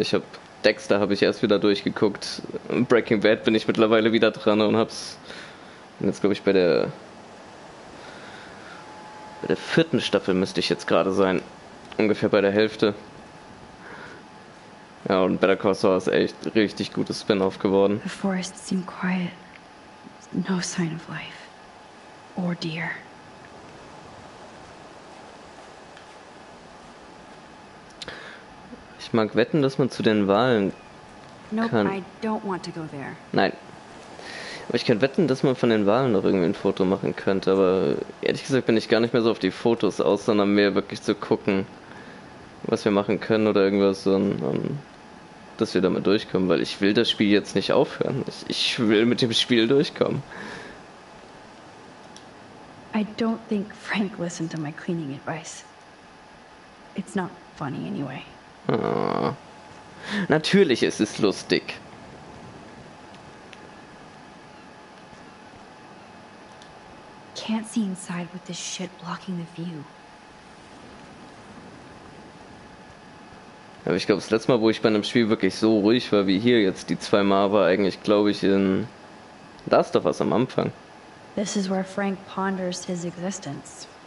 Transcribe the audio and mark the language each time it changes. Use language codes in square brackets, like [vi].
[de] Ich habe Dexter habe ich erst wieder durchgeguckt. Breaking Bad bin ich mittlerweile wieder dran und hab's. Bin jetzt, glaube ich, bei der vierten Staffel müsste ich jetzt gerade sein. Ungefähr bei der Hälfte. Ja, und Better Call Saul ist echt richtig gutes Spin-off geworden. [en] The forest seemed quiet. No sign of life. Or deer. [de] mag wetten, dass man zu den Wahlen kann. [en] Nope, I don't want to go there. [de] Nein. Aber ich kann wetten, dass man von den Wahlen noch irgendwie ein Foto machen könnte. Aber ehrlich gesagt bin ich gar nicht mehr so auf die Fotos aus, sondern mehr wirklich zu gucken, was wir machen können oder irgendwas, und dass wir damit durchkommen. Weil ich will das Spiel jetzt nicht aufhören. Ich will mit dem Spiel durchkommen. [en] I don't think Frank listened to my cleaning advice. It's not funny anyway. Oh. [de] Natürlich ist es lustig. [en] Can't see inside with this shit blocking the view. [de] Aber ich glaube, das letzte Mal, wo ich bei einem Spiel wirklich so ruhig war wie hier jetzt die zwei Mal, war eigentlich, glaube ich, in Last of Us am Anfang. [en] This is where Frank ponders his existence.